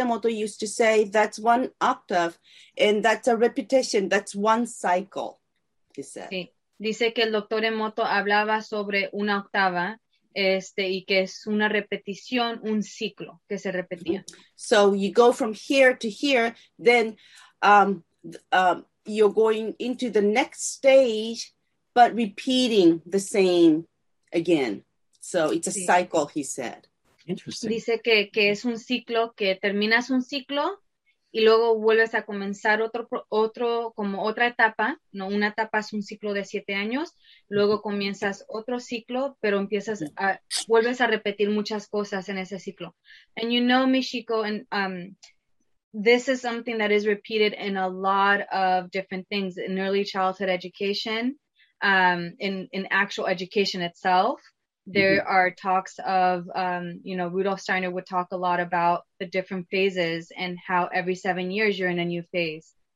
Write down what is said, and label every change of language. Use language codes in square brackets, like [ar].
[en] Emoto used to say that's one octave and that's a repetition, that's one cycle, he said. [es] Sí, dice que el Dr. Emoto hablaba sobre una octava y que es una repetición, un ciclo que se repetía. [en] So you go from here to here, then you're going into the next stage, but repeating the same again. So it's a cycle, he said. Interesting. [es] Dice que es un ciclo, que terminas un ciclo y luego vuelves a comenzar otro como otra etapa, ¿no? Una etapa es un ciclo de 7 años, luego comienzas otro ciclo, pero vuelves a repetir muchas cosas en ese ciclo. [en] And you know, Michiko, and this is something that is repeated in a lot of different things, in early childhood education, in actual education itself. There are talks of, Rudolf Steiner would talk a lot about the different phases and how every 7 years you're in a new phase.